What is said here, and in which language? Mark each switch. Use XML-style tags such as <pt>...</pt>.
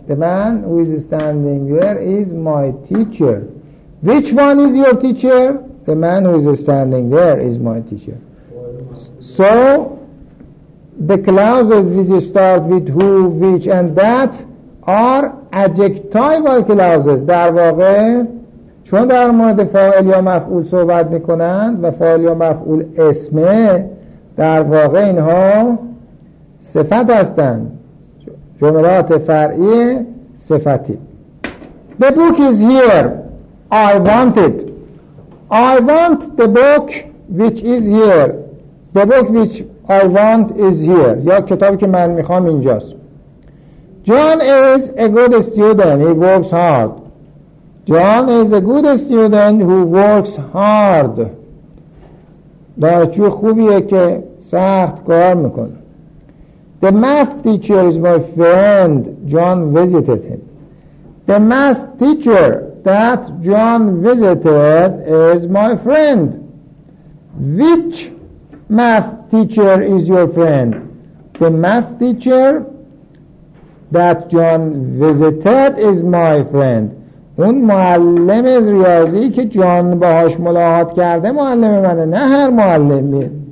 <en>The man who is standing there is my teacher. Which one is your teacher? The man who is standing there is my teacher. So, the clauses which start with who, which, and that are adjectival clauses.</en> <fa>در واقع چون در مورد فاعل یا مفعول صحبت میکنند و فاعل یا مفعول اسمه، در واقع اینها صفت هستند. جملات فرعی صفتی.</fa> <en>The book is here. I want it. I want the book which is here. The book which I want is here.</en> <fa>یا کتابی که من میخوام اینجاست.</fa> <en>John is a good student. He works hard. John is a good student who works hard.</en> <fa>دانشجو خوبیه که سخت کار میکنه.</fa> <en>The math teacher is my friend. John visited him. The math teacher that John visited is my friend. Which math teacher is your friend? The math teacher that John visited is my friend.</en> <fa>اون معلم ریاضی که جان باهاش ملاقات کرده معلم منه، نه هر معلمی.</fa>